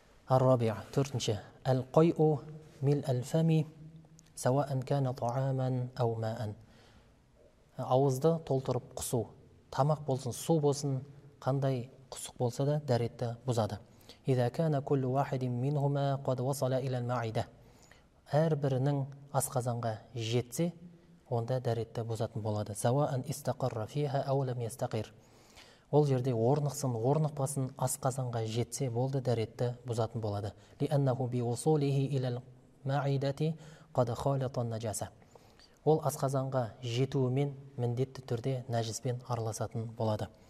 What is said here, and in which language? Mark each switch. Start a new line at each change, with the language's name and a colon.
Arabic: الرابع ترتنش القيء ملء الفم سواء كان طعاما او ماء
Kazakh: ауызды толтырып қысу тамақ болсын су болсын қандай қысық болса да дәретті бұзады.
Arabic: اذا كان كل واحد منهما قد وصل الى المعده
Kazakh: هر бірінің асқазанға жетсе онда дәретті бұзатын болады.
Arabic: سواء استقر فيها او لم يستقر
Kazakh: ол жерде орнықсын, орнықпасын, асқазанға жетсе болды, дәретті бұзатын болады.
Arabic: لِأَنَّهُ بِوُصُولِهِ إِلَى الْمَعِيدَةِ قَدْ خَالَطَ النَّجَاسَ
Kazakh: ол асқазанға жетуімен міндетті түрде нәжіспен араласатын болады.